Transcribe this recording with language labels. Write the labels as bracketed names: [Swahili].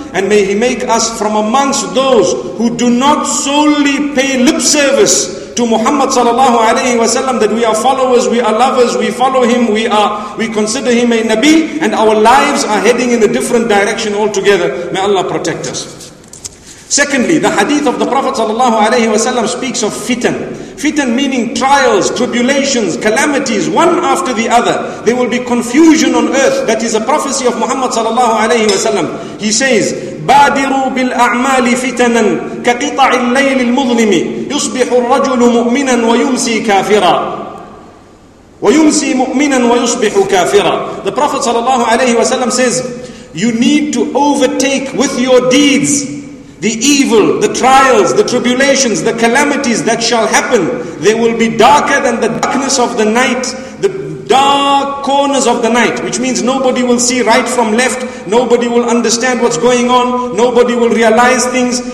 [English] And may He make us from amongst those who do not solely pay lip service to Muhammad sallallahu alayhi wa sallam, that we are followers, we are lovers, we follow him, we consider him a Nabi, and our lives are heading in a different direction altogether. May Allah protect us. Secondly, the hadith of the Prophet sallallahu alayhi wa sallam speaks of fitan. Fitan meaning trials, tribulations, calamities, one after the other. There will be confusion on earth. That is a prophecy of Muhammad sallallahu alayhi wa sallam. He says, [Arabic] بادروا بالأعمال فتنا كقطع الليل المظلم يصبح الرجل مؤمنا ويمسي كافرا ويمسي مؤمنا ويصبح كافرا. [English] The Prophet sallallahu alayhi wa sallam says, you need to overtake with your deeds the evil, the trials, the tribulations, the calamities that shall happen. They will be darker than the darkness of the night, the dark corners of the night, which means nobody will see right from left, nobody will understand what's going on, nobody will realize things.